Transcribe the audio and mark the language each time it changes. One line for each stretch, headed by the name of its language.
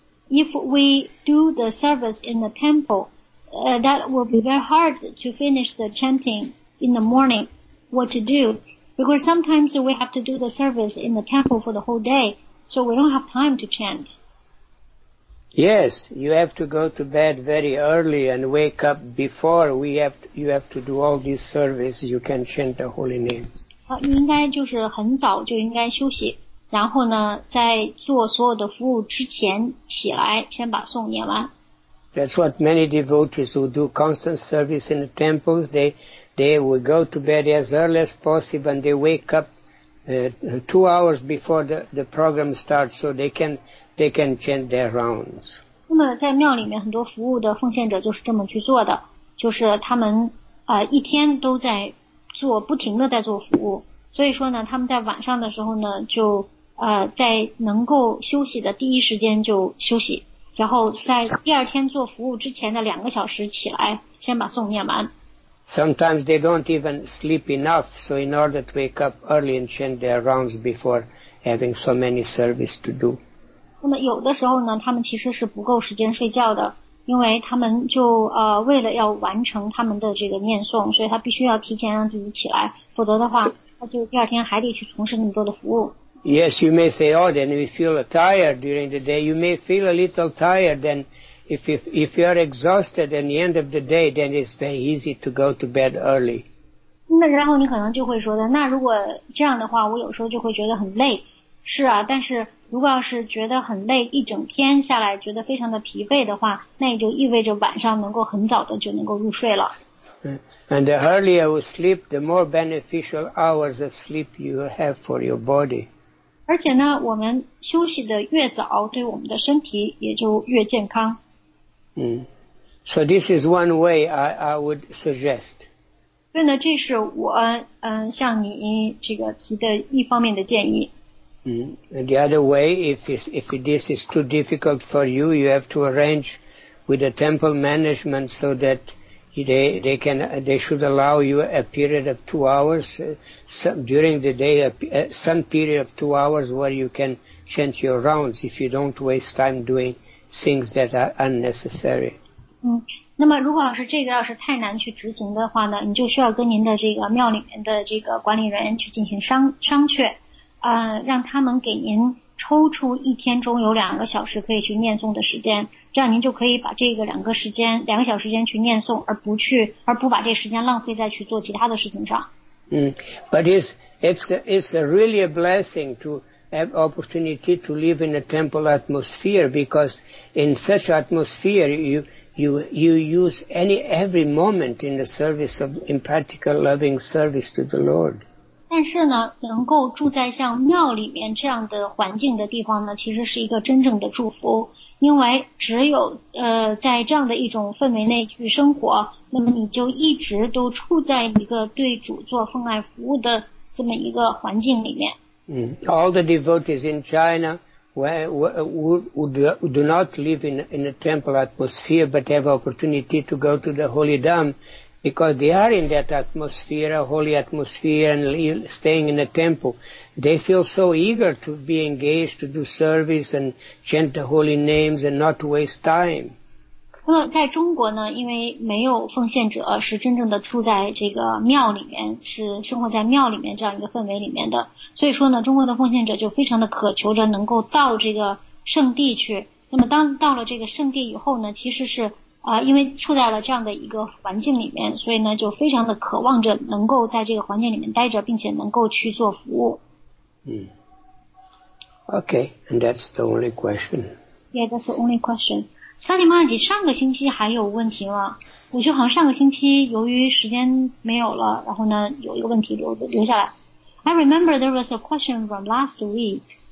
English: if we do the service in the temple, that will be very hard to finish the chanting in the morning. What to do? Because sometimes we have to do the service in the temple for the whole day, so we don't have time to chant. Yes, you have to go to bed very early and wake up before you have to do all this service. You can chant the holy name.
Chinese: 应该就是很早就应该休息，然后呢，在做所有的服务之前起来，先把颂念完。
English: That's what many devotees who do constant service in the temples. They will go to bed as early as possible, and they wake up two hours before the program starts, so they can chant their rounds.
Chinese: 那么在庙里面，很多服务的奉献者就是这么去做的，就是他们一天都在做，不停的在做服务。所以说呢，他们在晚上的时候呢，就在能够休息的第一时间就休息。然后在第二天做服务之前的两个小时起来，先把诵念完。
English: Sometimes they don't even sleep enough, so in order to wake up early and chant their rounds before having so many service to do.
Chinese: 那么有的时候呢，他们其实是不够时间睡觉的，因为他们就为了要完成他们的这个念诵，所以他必须要提前让自己起来，否则的话，他就第二天还得去从事那么多的服务。
English: Yes, you may say, oh, then we feel tired during the day. You may feel a little tired. Then if you are exhausted at the end of the day, then it's very easy to go to bed early.
Chinese: 那然后你可能就会说的，那如果这样的话，我有时候就会觉得很累。是啊，但是如果要是觉得很累，一整天下来觉得非常的疲惫的话，那也就意味着晚上能够很早的就能够入睡了。
English: And the earlier you sleep, the more beneficial hours of sleep you have for your body.
Chinese: 而且呢，我们休息的越早，对我们的身体也就越健康。
English: So this is one way I would suggest.
Chinese: 所以呢，这是我向你这个提的一方面的建议。
English: And the other way, if this is too difficult for you, you have to arrange with the temple management so that they should allow you a period of 2 hours during the day, some period of 2 hours where you can chant your rounds if you don't waste time doing things that are unnecessary.
Chinese: 那么如果要是这个要是太难去执行的话呢，你就需要跟您的这个庙里面的这个管理人去进行商榷，让他们给您抽出一天中有两个小时可以去念诵的时间，这样您就可以把这个两个小时间去念诵，而不把这时间浪费在去做其他的事情上。
English: But it's really a blessing to have opportunity to live in a temple atmosphere, because in such atmosphere you use every moment in the service of in practical loving service to the Lord.
Chinese: 但是呢，能够住在像庙里面这样的环境的地方呢，其实是一个真正的祝福，因为只有在这样的一种氛围内去生活，那么你就一直都处在一个对主做奉爱服务的这么一个环境里面。
English: All the devotees in China who do not live in a temple atmosphere but have opportunity to go to the holy dhamBecause they are in that atmosphere, a holy atmosphere, and staying in the temple, they feel so eager to be engaged, to do service, and chant the holy names, and not waste time.
Chinese: 那么在中国呢，因为没有奉献者是真正的住在这个庙里面，是生活在庙里面这样一个氛围里面的，所以说呢，中国的奉献者就非常的渴求着能够到这个圣地去。那么当到了这个圣地以后呢，其实是。因为处在了这样的一个环境里面，所以呢就非常的渴望着能够在这个环境里面待着，并且能够去做服务。
English: Okay, and that's the only question. Yeah, that's the only question. Sunny Maji,
Chinese: 上个星期还有问题吗？我觉得好像上个星期由于时间没有了，然后呢有一个问题留下来。
English: I remember there was a question from last week.